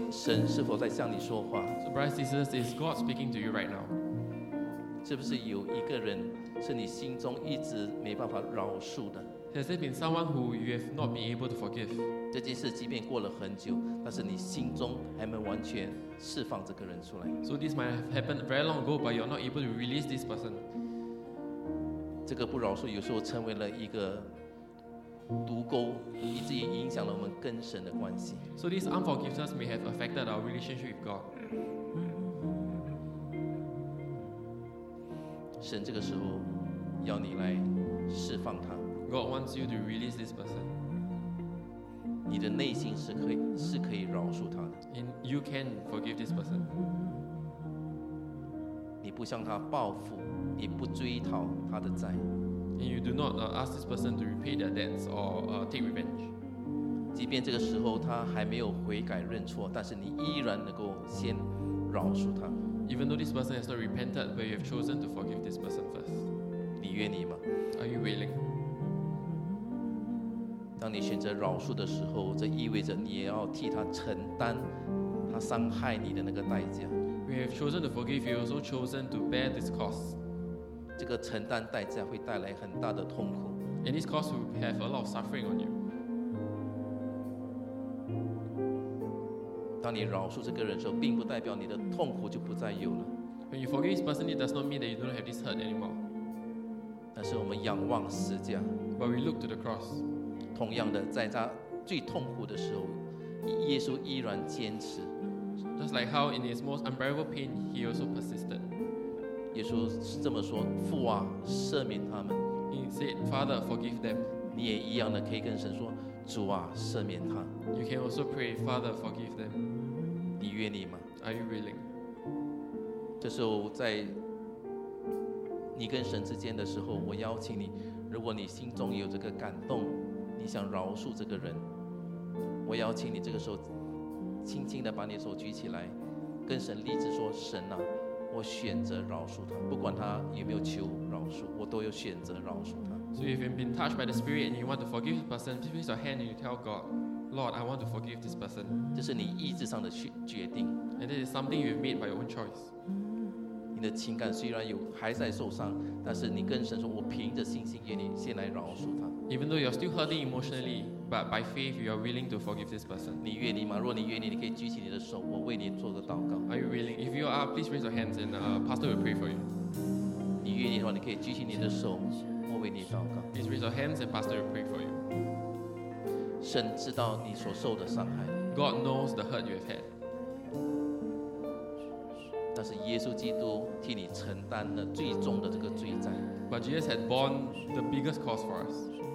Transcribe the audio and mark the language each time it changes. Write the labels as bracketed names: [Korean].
[English] Is God speaking to you right now? [Chinese] 是不是有一个人是你心中一直没办法饶恕的？ [English] Has there been someone who you have not been able to forgive? [Chinese] 这件事即便过了很久，但是你心中还没完全释放这个人出来。 [English] So this might have happened very long ago, but you're not able to release this person. [Chinese] 这个不饶恕有时候成为了一个毒钩，以至于影响了我们跟神的关系。 [English] So this unforgiveness may have affected our relationship with God. [Chinese] 神这个时候要你来释放他。 [English] God wants you to release this person. [Chinese] 你的内心是可以饶恕他的。 [English] And you can forgive this person. [Chinese] 你不向他报复，你不追讨他的债。 [English] And you do not ask this person to repay their debts or take revenge. [Chinese] 即便这个时候他还没有悔改认错，但是你依然能够先饶恕他。 [English] Even though this person has not repented, but you have chosen to forgive this person first. [Chinese] 你愿意吗？ [English] Are you willing? [Chinese] 当你选择饶恕的时候，这意味着你也要替他承担他伤害你的那个代价。 [English] We have chosen to forgive, you also chosen to bear this cost. [Chinese] 这个承担代价会带来很大的痛苦。 [English] And this cost will have a lot of suffering on you. [Chinese] 当你饶恕这个人的时候，并不代表你的痛苦就不再有了。 [English] When you forgive this person, it does not mean that you don't have this hurt anymore. [Chinese] 但是我们仰望十字架。 [English] But we look to the cross. [Chinese] 同样的，在他最痛苦的时候，耶稣依然坚持。 [English] Just like how in his most unbearable pain, he also persisted. [Chinese] 耶稣这么说：“父啊，赦免他们。” [English] He said, "Father, forgive them." [Chinese] 你也一样的可以跟神说。主啊，赦免他。 [English] You can also pray, Father, forgive them. [Chinese] 你愿意吗？ [English] Are you willing? [Chinese] 这时候在你跟神之间的时候，我邀请你，如果你心中有这个感动，你想饶恕这个人，我邀请你这个时候轻轻地把你手举起来，跟神立志说：神啊，我选择饶恕他，不管他有没有求饶恕，我都有选择饶恕他。 [English] So if you've been touched by the Spirit and you want to forgive the person, please raise your hand and you tell God, Lord, I want to forgive this person. [Chinese] 这是你意志上的决定。 [English] And it is something you've made by your own choice. [Chinese] 你的情感虽然有还在受伤，但是你跟神说，我凭着信心愿意先来饶恕他。 [English] Even though you're still hurting emotionally, but by faith you are willing to forgive this person. [Chinese] 你愿意吗？若你愿意，你可以举起你的手，我为你做个祷告。 [English] Are you willing? If you are, please raise your hands and Pastor will pray for you. [Chinese] 你愿意的话，你可以举起你的手，我为你祷告。 [English] Please raise your hands and Pastor will pray for you. [Chinese] 神知道你所受的伤害。 [English] God knows the hurt you have had. [Chinese] 但是耶稣基督替你承担了最重的这个罪债。 [English] But Jesus had borne the biggest cost for us.